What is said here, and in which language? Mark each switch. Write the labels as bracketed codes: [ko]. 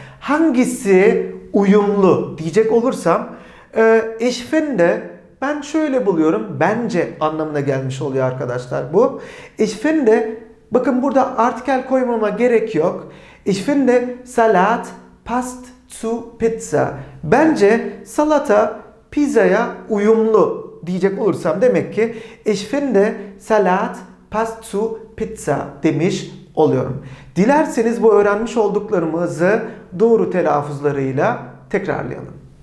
[tr] Hangisi uyumlu diyecek olursam [de] ich finde [tr] ben şöyle buluyorum bence anlamına gelmiş oluyor arkadaşlar bu. [de] Ich finde [tr] bakın burada artikel koymama gerek yok. [de] Ich finde Salat passt zu Pizza. [tr] Bence salata pizzaya uyumlu diyecek olursam demek ki [de] Ich finde Salat passt zu Pizza [tr] demiş oluyorum. Dilerseniz bu öğrenmiş olduklarımızı doğru telaffuzlarıyla tekrarlayalım.